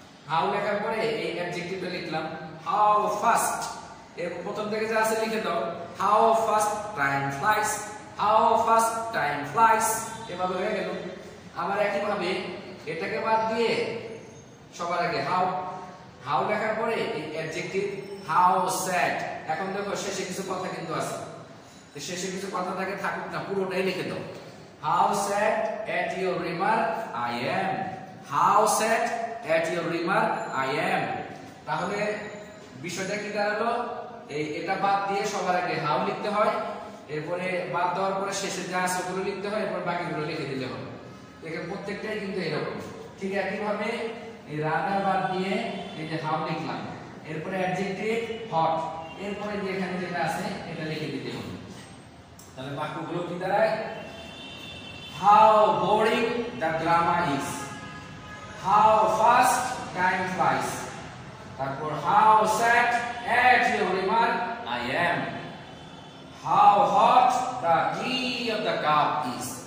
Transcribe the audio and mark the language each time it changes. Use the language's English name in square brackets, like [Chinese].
[Bangla] How লেখার পরে এই অ্যাডজেক্টিভ লিখলাম [English] how fast এর প্রথম থেকে যা আছে লিখে দাও হাউ ফাস্ট টাইম ফ্লাইস [Bangla] how fast time flies এভাবে হয়ে গেল আবার একই ভাবে এটাকে বাদ দিয়ে সবার আগে হাউ হাউ লেখার পরে এই অ্যাডজেক্টিভ হাউ স্যাড এখন দেখো শেষে কিছু কথা কিন্তু আছে শেষে কিছু কথা থাকে থাকুক না পুরোটাই লিখে দাও [English] How sad at your remark I am. How sad at your remark I am. [Bangla] তাহলে বিষয়টা কি দাঁড়ালো এই এটা বাদ দিয়ে সবার আগে হাউ লিখতে হয় এরপরে বাদ দেওয়ার পরে শেষে যা আছে ওগুলো লিখতে হয় এরপর বাকিগুলো লিখে দিলে হবে দেখেন প্রত্যেকটাই কিন্তু এরকম ঠিক একইভাবে এই রাদার বাদ দিয়ে এই যে হাউ লিখলাম এরপরে অ্যাডজেক্টিভ হট এরপরে যে এখানে যেটা আছে এটা লিখে দিতে হবে তাহলে বাক্যগুলো কি দাঁড়ায় [English] How boring the drama is. How fast time flies. Therefore, how sad at your remark I am. How hot the tea of the cup is.